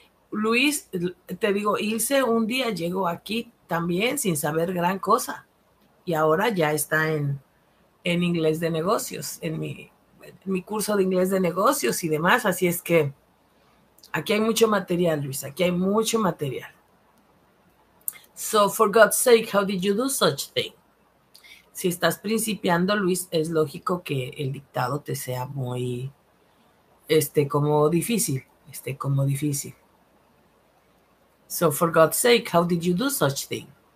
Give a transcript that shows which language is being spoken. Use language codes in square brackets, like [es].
[es] Luis, te digo, Ilse un día llegó aquí también sin saber gran cosa y ahora ya está en inglés de negocios, en mi curso de inglés de negocios y demás. Así es que aquí hay mucho material, Luis, aquí hay mucho material. [en] So, for God's sake, how did you do such thing? [es] Si estás principiando, Luis, es lógico que el dictado te sea muy, como difícil, como difícil. [en] So, for God's sake, how did you do such thing?